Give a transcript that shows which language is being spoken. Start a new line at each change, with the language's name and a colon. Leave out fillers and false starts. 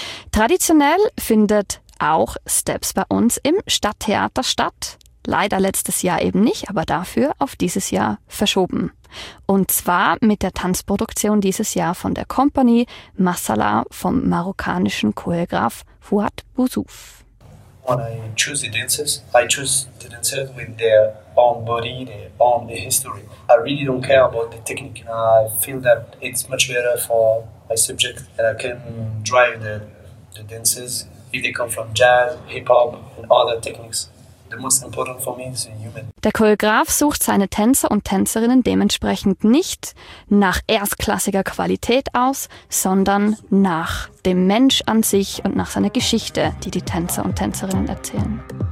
German: Traditionell findet auch Steps bei uns im Stadttheater statt. Leider letztes Jahr eben nicht, aber dafür auf dieses Jahr verschoben. Und zwar mit der Tanzproduktion dieses Jahr von der Company Masala vom marokkanischen Choreograf Fouad Bouzouf.
English: When I choose the dancers with their own body, their own history. I really don't care about the technique. And I feel that it's much better for my subject and I can drive the dancers if they come from jazz, hip-hop and other techniques. The most important for me is a human.
German: Der Choreograf sucht seine Tänzer und Tänzerinnen dementsprechend nicht nach erstklassiger Qualität aus, sondern nach dem Mensch an sich und nach seiner Geschichte, die die Tänzer und Tänzerinnen erzählen.